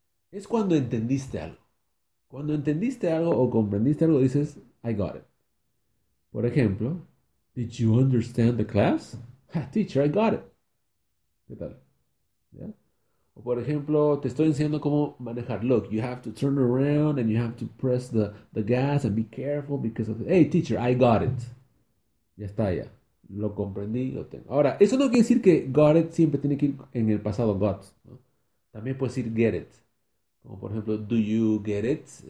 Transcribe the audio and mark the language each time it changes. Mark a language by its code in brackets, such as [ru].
[es] Es cuando entendiste algo. Cuando entendiste algo o comprendiste algo, dices, [en] I got it. [es] Por ejemplo, [en] did you understand the class? Ha, teacher, I got it. [es] ¿Qué tal? ¿Ya? O por ejemplo, te estoy enseñando cómo manejar. [en] Look, you have to turn around and you have to press the gas and be careful because of the... Hey, teacher, I got it. [es] Ya está, ya. Lo comprendí, lo tengo. Ahora, eso no quiere decir que got it siempre tiene que ir en el pasado got, ¿no? También puedes decir get it. Como por ejemplo, [en] do you get it?